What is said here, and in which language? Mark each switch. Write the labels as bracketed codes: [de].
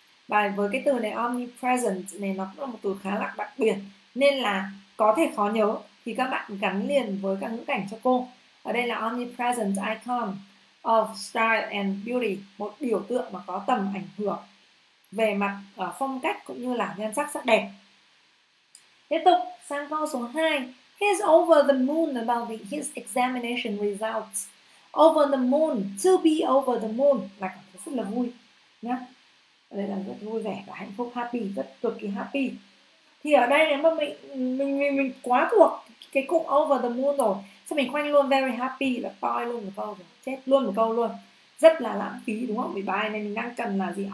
[vi] Và với cái từ này omnipresent này, nó cũng là một từ khá là đặc biệt nên là có thể khó nhớ, thì các bạn gắn liền với các ngữ cảnh cho cô. Ở đây là [en] omnipresent icon of style and beauty, [vi] một biểu tượng mà có tầm ảnh hưởng về mặt phong cách cũng như là nhan sắc sắc đẹp. Tiếp tục sang câu số 2. [en] He's over the moon about the his examination results. [vi] Over the moon, [en] to be over the moon [vi] là cảm thấy rất là vui nhá. Đây là rất vui vẻ và hạnh phúc, happy, rất cực kỳ happy. Thì ở đây nếu mà mình quá thuộc cái cụm over the moon rồi, sao mình khoanh luôn [en] very happy [vi] là toi luôn một câu rồi, chết luôn một câu luôn, rất là lãng phí đúng không? Vì bài này mình đang cần là gì?